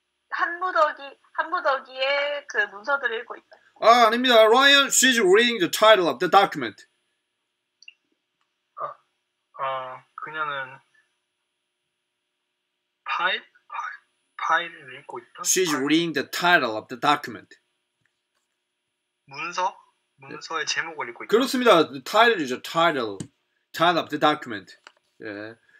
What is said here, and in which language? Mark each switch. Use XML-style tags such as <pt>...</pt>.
<ko>한무더기의 그 문서들을 읽고 있다. 아, 아닙니다.</ko> <en>Ryan, she's reading the title of the document.</en> <ko>그녀는 파일을 읽고 있다.</ko> <en>She's reading the title of the document.</en> <ko>문서? 문서의 네. 제목을 읽고 있다. 그렇습니다.</ko> <en>The title이죠. Title of the document.</en> <ko>예.</ko>